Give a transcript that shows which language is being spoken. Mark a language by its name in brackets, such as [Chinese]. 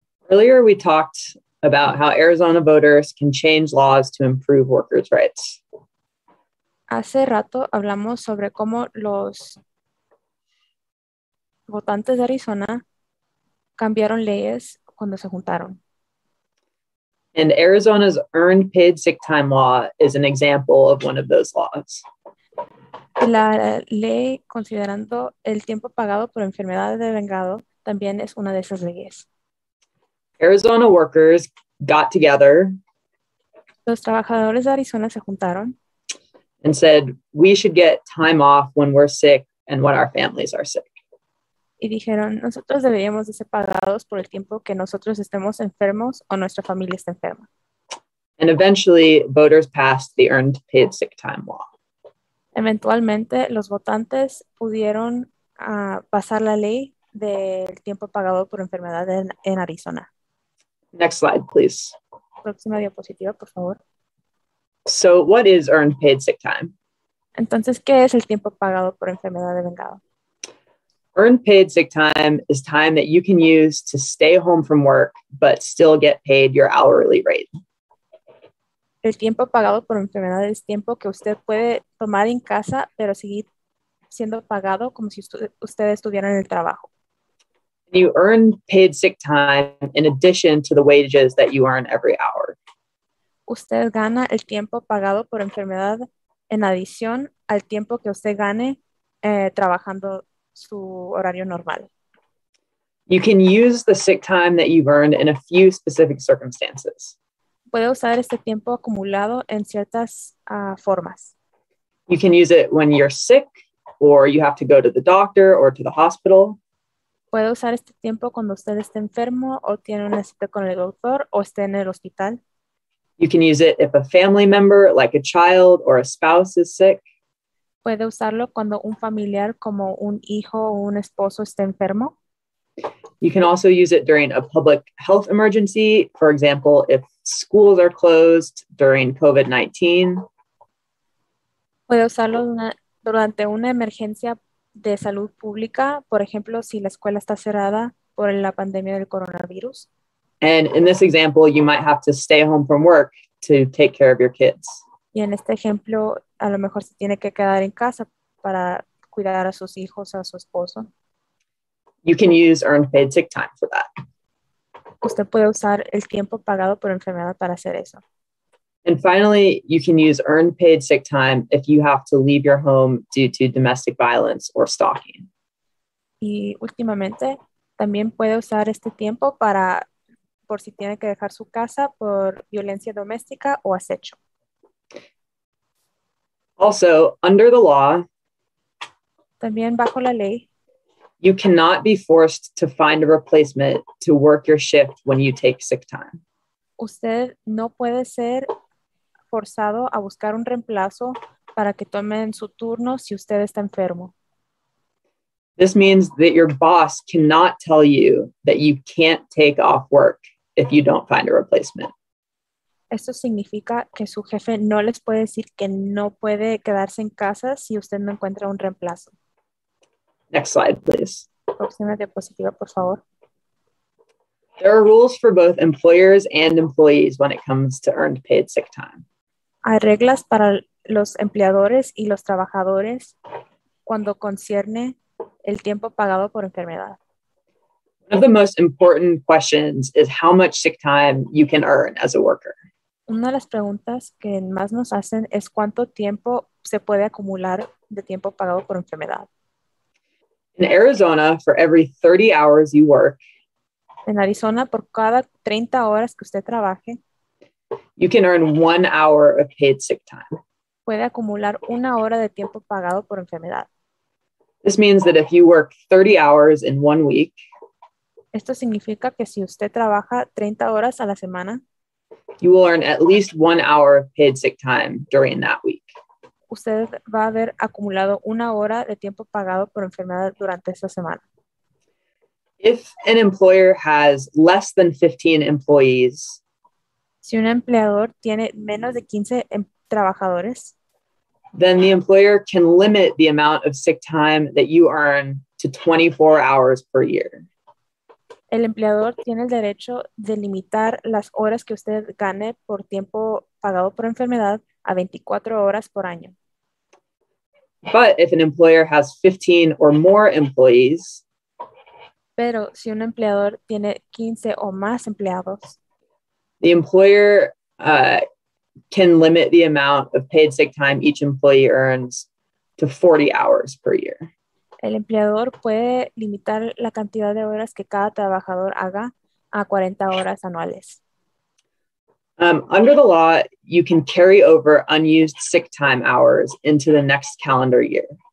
[English] Earlier we talked about how Arizona voters can change laws to improve workers' rights. [Spanish] Hace rato hablamos sobre cómo los votantes de Arizona cambiaron leyes cuando se juntaron. [English] And Arizona's earned paid sick time law is an example of one of those laws. [Spanish] La ley considerando el tiempo pagado por enfermedad de vengado también es una de esas leyes. [English] Arizona workers got together. [Spanish] Los trabajadores de Arizona se juntaron. [English] And said, we should get time off when we're sick and when our families are sick. [Spanish] Y dijeron, nosotros deberíamos de ser pagados por el tiempo que nosotros estemos enfermos o nuestra familia esté enferma. [English] And eventually, voters passed the earned paid sick time law. [Spanish] Eventualmente, los votantes pudieron pasar la ley del tiempo pagado por enfermedad en Arizona. [English] Next slide, please. [Spanish] Próxima diapositiva, por favor. [English] So, what is earned paid sick time? [Spanish] Entonces, ¿qué es el tiempo pagado por enfermedad de vengado? [English] Earned paid sick time is time that you can use to stay home from work but still get paid your hourly rate. [Spanish] El tiempo pagado por enfermedad es tiempo que usted puede tomar en casa pero seguir siendo pagado como si usted estuviera en el trabajo. [English] You earn paid sick time in addition to the wages that you earn every hour. [Spanish] Usted gana el tiempo pagado por enfermedad en adición al tiempo que usted gane trabajando su horario normal. [English] You can use the sick time that you've earned in a few specific circumstances. [Spanish] Puede usar este tiempo acumulado en ciertas formas. [English] You can use it when you're sick or you have to go to the doctor or to the hospital. [Spanish] Puede usar este tiempo cuando usted esté enfermo o tiene una cita con el doctor o esté en el hospital. [English] You can use it if a family member, like a child or a spouse, is sick. [Spanish] Puede usarlo cuando un familiar como un hijo o un esposo esté enfermo. [English] You can also use it during a public health emergency, for example, if schools are closed during COVID-19. [Spanish] Puede usarlo durante una emergencia de salud pública, por ejemplo, si la escuela está cerrada por la pandemia del coronavirus. [English] And in this example, you might have to stay home from work to take care of your kids. [Spanish] Y en este ejemplo, a lo mejor se tiene que quedar en casa para cuidar a sus hijos o a su esposo. [English] You can use earned paid sick time for that. [Spanish] Usted puede usar el tiempo pagado por enfermedad para hacer eso. [English] And finally, you can use earned paid sick time if you have to leave your home due to domestic violence or stalking. [Spanish] Y últimamente, también puede usar este tiempo para por si tiene que dejar su casa por violencia doméstica o acecho. [English] Also, under the law, [Spanish] también bajo la ley, [English] you cannot be forced to find a replacement to work your shift when you take sick time. [Spanish] Usted no puede ser forzado a buscar un reemplazo para que tomen su turno si usted está enfermo. [English] This means that your boss cannot tell you that you can't take off work if you don't find a replacement. [Spanish] Esto significa que su jefe no les puede decir que no puede quedarse en casa si usted no encuentra un reemplazo. [English] Next slide, please. [Spanish] Próxima diapositiva, por favor. [English] There are rules for both employers and employees when it comes to earned paid sick time. [Spanish] Hay reglas para los empleadores y los trabajadores cuando concierne el tiempo pagado por enfermedad. [English] One of the most important questions is how much sick time you can earn as a worker. [Spanish] Una de las preguntas que más nos hacen es cuánto tiempo se puede acumular de tiempo pagado por enfermedad. [English] In Arizona, for every 30 hours you work, [Spanish] en Arizona, por cada 30 horas que usted trabaje, [English] you can earn 1 hour of paid sick time. [Spanish] Puede acumular una hora de tiempo pagado por enfermedad. [English] This means that if you work 30 hours in 1 week, [Spanish] esto significa que si usted trabaja 30 horas a la semana, [English] you will earn at least 1 hour of paid sick time during that week. [Spanish] Usted va a haber acumulado una hora de tiempo pagado por enfermedad durante esa semana. [English] If an employer has less than 15 employees, [Spanish] si un empleador tiene menos de 15 trabajadores, [English] then the employer can limit the amount of sick time that you earn to 24 hours per year. [Spanish] El empleador tiene el derecho de limitar las horas que usted gane por tiempo pagado por enfermedad a 24 horas por año. [English] But if an employer has 15 or more employees, [Spanish] pero si un empleador tiene 15 o más empleados, [English] the employer can limit the amount of paid sick time each employee earns to 40 hours per year. [Spanish] El empleador puede limitar la cantidad de horas que cada trabajador haga a 40 horas anuales. [English] Under the law, you can carry over unused sick time hours into the next calendar year.